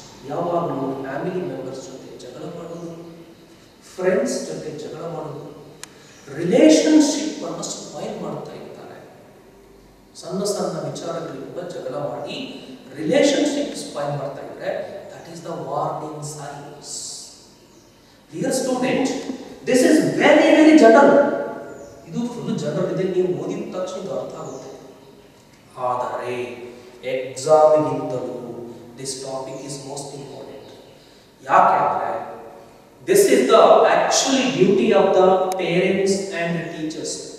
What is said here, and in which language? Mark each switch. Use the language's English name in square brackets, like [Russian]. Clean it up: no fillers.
[Kannada] Yavaglu family members jothe jagala madudu, friends jothe jagala madudu, relationship ಅನ್ನು spoil ಮಾಡ್ತಾ ಇರ್ತಾರೆ. ಸಣ್ಣ ಸಣ್ಣ ವಿಚಾರಗಳಿಂದ ಜಗಳ ಮಾಡಿ ರಿಲೇಷನ್ಶಿಪ್ ಸ್ಪಾಯಿಲ್ ಮಾಡ್ತಾ ಇದ್ರೆ, that is the warning science. Dear student, this is very very general, ಇದು ಫುಲ್ ಜನರಲ್ ಇದೆ, ನೀವು ಓದಿದ ತಕ್ಷಣ ಅರ್ಥ ಆಗುತ್ತೆ. ಆದರೆ ಎಕ್ಸಾಮಿಗಿಂತಲೂ this topic is most important. [English] ಯಾಕೆಂದ್ರೆ this is the actually duty of the parents and the teachers.